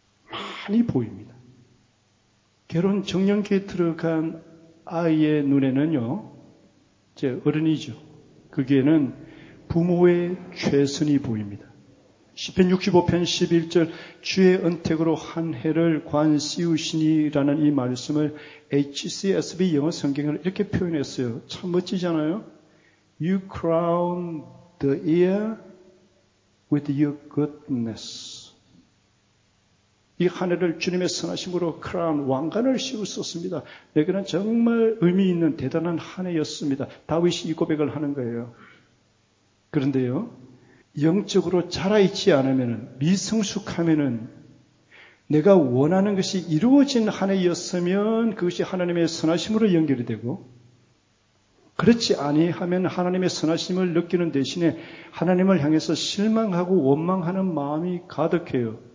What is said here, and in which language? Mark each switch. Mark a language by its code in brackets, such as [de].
[ko] 많이 보입니다. 결혼 정년기에 들어간 아이의 눈에는요, 이제 어른이죠. 거기에는 부모의 최선이 보입니다. 시편 65편 11절 주의 은택으로 한 해를 관씌우시니라는 이 말씀을 HCSB 영어 성경을 이렇게 표현했어요. 참 멋지잖아요. [en] You crown the year with your goodness. [ko] 이 한 해를 주님의 선하심으로 크라운, 왕관을 씌우셨습니다. 내게는 정말 의미 있는 대단한 한 해였습니다. 다윗이 이 고백을 하는 거예요. 그런데요, 영적으로 자라있지 않으면, 미성숙하면, 내가 원하는 것이 이루어진 한 해였으면 그것이 하나님의 선하심으로 연결이 되고, 그렇지 아니하면 하나님의 선하심을 느끼는 대신에 하나님을 향해서 실망하고 원망하는 마음이 가득해요.